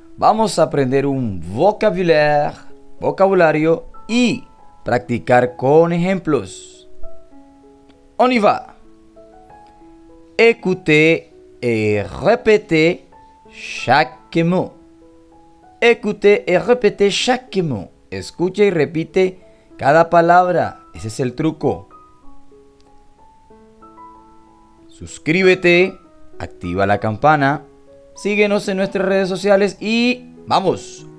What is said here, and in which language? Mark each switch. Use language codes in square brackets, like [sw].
[es] Vamos a aprender un vocabulario y practicar con ejemplos. [fr] On y va. Écoutez et répétez chaque mot. Écoutez et répétez chaque mot. [es] Escuche y repite cada palabra. Ese es el truco. Suscríbete. Activa la campana. Síguenos en nuestras redes sociales y vamos.